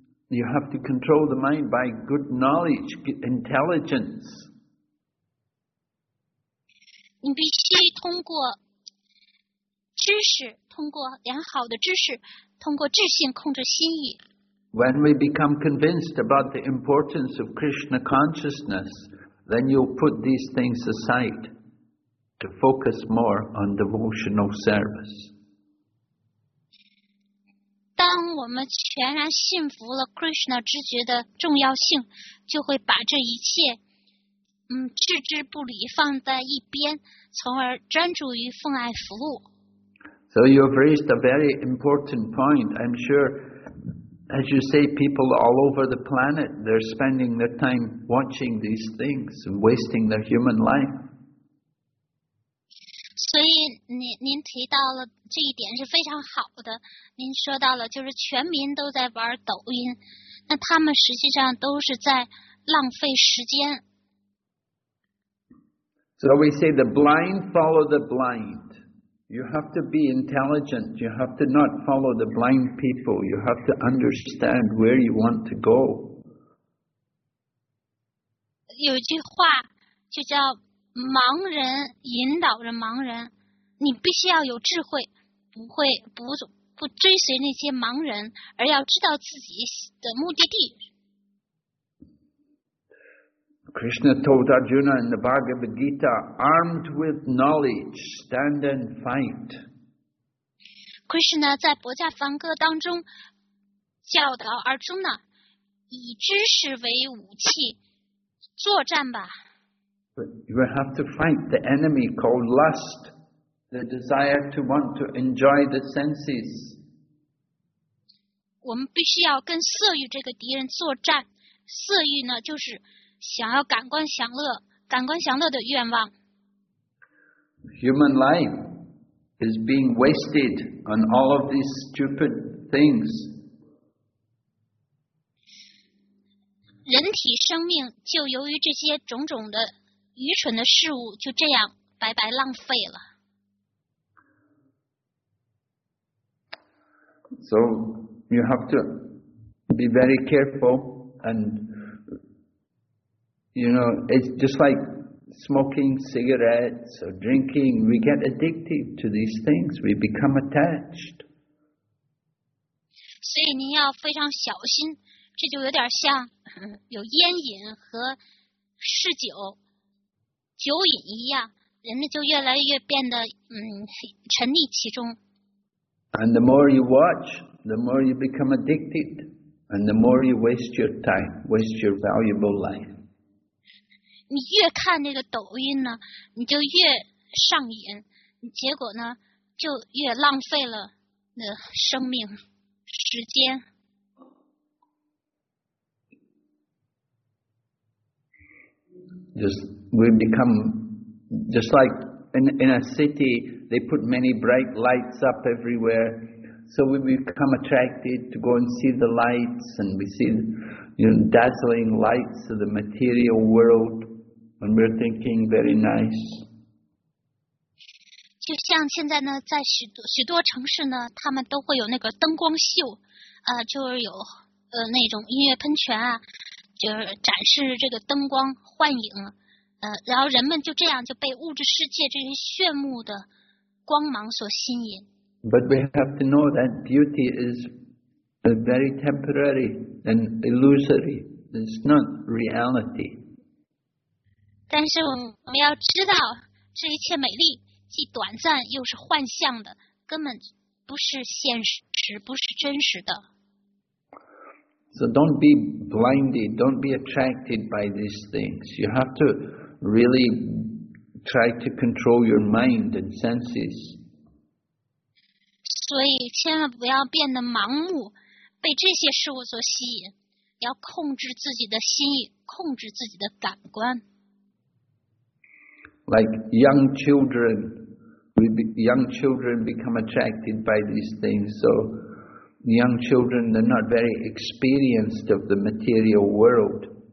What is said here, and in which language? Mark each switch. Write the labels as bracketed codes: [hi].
[en] You have to control the mind by good knowledge, intelligence. [zh] 你必须通过知识，通过良好的知识，通过智性控制心意。 [en] When we become convinced about the importance of Krishna consciousness, then you'll put these things aside to focus more on devotional service. [zh] 当我们全然信服了 Krishna 知觉的重要性，就会把这一切置之不理，放在一边，从而专注于奉爱服务。 [en] So you have raised a very important point. I'm sure, as you say, people all over the planet, they're spending their time watching these things and wasting their human life. [zh] 所以您提到了这一点是非常好的。您说到了就是全民都在玩抖音，那他们实际上都是在浪费时间。 [en] So we say the blind follow the blind. You have to be intelligent. You have to not follow the blind people. You have to understand where you want to go. [zh] 有一句话就叫盲人引导着盲人，你必须要有智慧，不追随那些盲人，而要知道自己的目的地。 [en] Krishna told Arjuna in the Bhagavad Gita, armed with knowledge, stand and fight. [zh] Krishna 在《博迦梵歌》当中教导 Arjuna, 以知识为武器，作战吧。 [en] But you will have to fight the enemy called lust, the desire to want to enjoy the senses. [zh] 我们必须要跟色欲这个敌人作战，色欲呢就是想要感官享乐，感官享乐的愿望。 [en] Human life is being wasted on all of these stupid things. [zh] 人体生命就由于这些种种的愚蠢的事物，就这样白白浪费了。 [en] So you have to be very careful and. You know, it's just like smoking cigarettes or drinking. We get addicted to these things. We become attached. [zh] 所以您要非常小心，这就有点像有烟瘾和嗜酒、酒瘾一样，人们就越来越变得沉溺其中。 [en] And the more you watch, the more you become addicted, and the more you waste your time, waste your valuable life. [zh] 你越看那个抖音呢，你就越上瘾，结果呢，就越浪费了那生命时间。 [en] Just we become just like in a city, they put many bright lights up everywhere, so we become attracted to go and see the lights, and we see, you know, dazzling lights of the material world. And we're thinking very nice. [zh] 就像现在呢，在许多城市呢，他们都会有那个灯光秀，就是有那种音乐喷泉啊，就是展示这个灯光幻影，然后人们就这样就被物质世界这些炫目的光芒所吸引。 [en] But we have to know that beauty is very temporary and illusory. It's not reality. [zh] 但是我们要知道，这一切美丽既短暂又是幻象的，根本不是现实，不是真实的。 [en] So don't be blinded, don't be attracted by these things. You have to really try to control your mind and senses. [zh] 所以千万不要变得盲目，被这些事物所吸引，要控制自己的心意，控制自己的感官。 [en] Like young children, young children become attracted by these things. So young children, they're not very experienced of the material world.